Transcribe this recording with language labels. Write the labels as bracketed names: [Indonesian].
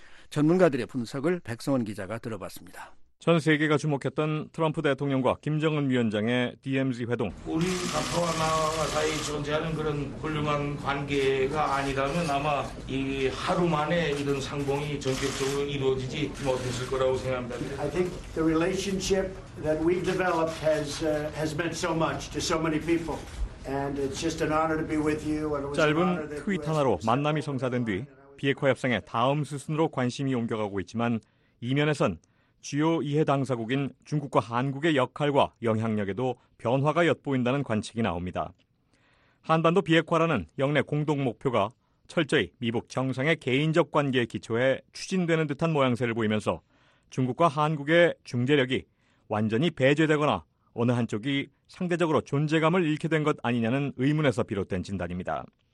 [Korean] 전문가들의 분석을 백성원 기자가 들어봤습니다. 전 세계가 주목했던 트럼프 대통령과 김정은 위원장의 DMZ 회동. 우리 각하와 나와 사이 존재하는 그런 훌륭한 관계가 아니라면 아마 이 하루 만에 이런 상봉이 전격적으로 이루어지지 못했을 거라고 생각합니다. [English] I think the relationship that we developed has meant so much to so many people. And it's just an honor to be with you. [Korean] 짧은 트윗 하나로 만남이 성사된 뒤 비핵화 협상의 다음 수순으로 관심이 옮겨가고 있지만 이면에선 주요 이해 당사국인 중국과 한국의 역할과 영향력에도 변화가 엿보인다는 관측이 나옵니다. 한반도 비핵화라는 역내 공동 목표가 철저히 미북 정상의 개인적 관계에 기초해 추진되는 듯한 모양새를 보이면서 중국과 한국의 중재력이 완전히 배제되거나 어느 한쪽이 상대적으로 존재감을 잃게 된 것 아니냐는 의문에서 비롯된 진단입니다.